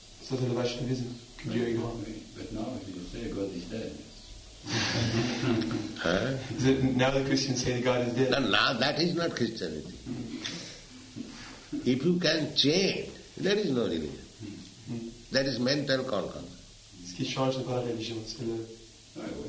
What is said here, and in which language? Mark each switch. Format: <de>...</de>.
<fr>Ça, c'est le Vaishnavism, que Dieu est grand.</fr> <en>But now, if you say God is dead, is it now the Christians say that God is dead? No, that is not Christianity. If you can change, there is no religion. That is mental concept.</en> <fr>Ce qui change n'est pas la religion, c'est le...</fr>